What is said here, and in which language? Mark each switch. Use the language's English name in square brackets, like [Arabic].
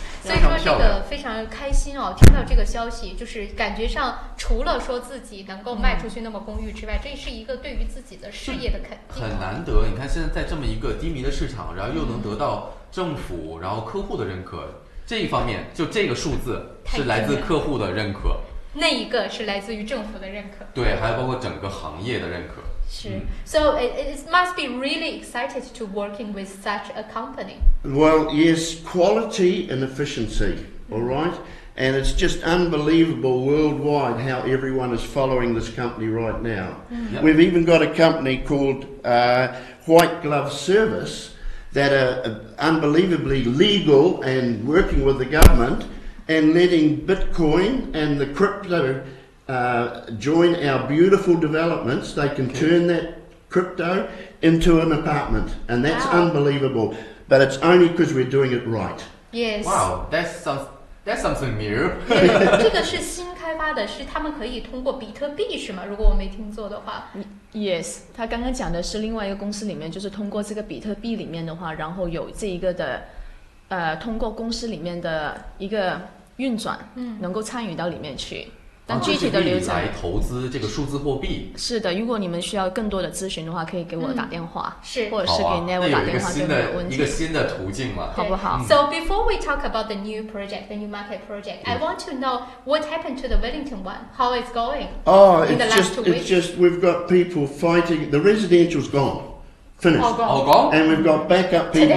[Chinese] 所以说这个非常开心哦，听到这个消息，就是感觉上除了说自己能够卖出去那么公寓之外，这是一个对于自己的事业的肯定，很难得。你看现在在这么一个低迷的市场，然后又能得到政府然后客户的认可，这一方面就这个数字是来自客户的认可。那一个是来自于政府的认可，对，还有包括整个行业的认可，是， [English] so it must be really excited to working with such a company. Well, yes, quality and efficiency, all right? And it's just unbelievable worldwide how everyone is following this company right now. We've even got a company called White Glove Service that are unbelievably legal and working with the governmentand letting Bitcoin and the crypto join our beautiful developments. They can turn that crypto into an apartment, and that's unbelievable. But it's only because we're doing it right. Yes. Wow, that's something new. [Chinese] 这个是新开发的，是他们可以通过比特币是吗？如果我没听错的话。 Yes, 他刚刚讲的是另外一个公司里面，就是通过这个比特币里面的话，然后有这一个的通过公司里面的一个运转，能够参与到里面去，但具体的流程来投资这个数字货币。是的，如果你们需要更多的咨询的话，可以给我打电话，是，或者是给 Neville 打电话，就没有问题。一个新的途径嘛，好不好？ [English] So before we talk about the new project, the new market project, I want to know what happened to the Wellington one. How it's going? Oh, it's just we've got people fighting. The residential's gone. Finished. All gone. And we've got backup people.